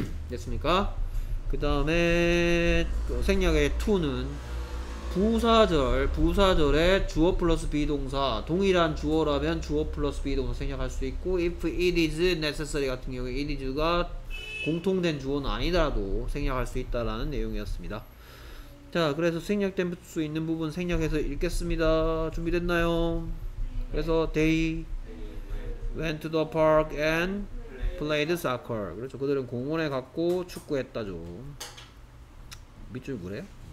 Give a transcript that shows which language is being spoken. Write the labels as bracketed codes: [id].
[ko] 됐습니까? 그 다음에 생략의 to는 부사절, 부사절의 주어 플러스 비동사, 동일한 주어라면 주어 플러스 비동사 생략할 수 있고 [en] if it is necessary [ko] 같은 경우에 it is가 공통된 주어는 아니더라도 생략할 수 있다라는 내용이었습니다. 자, 그래서 생략될 수 있는 부분 생략해서 읽겠습니다. 준비됐나요? [en] 그래서 they went to the park and played soccer. [ko] 그렇죠. 그들은 공원에 갔고 축구했다죠. 밑줄 그래?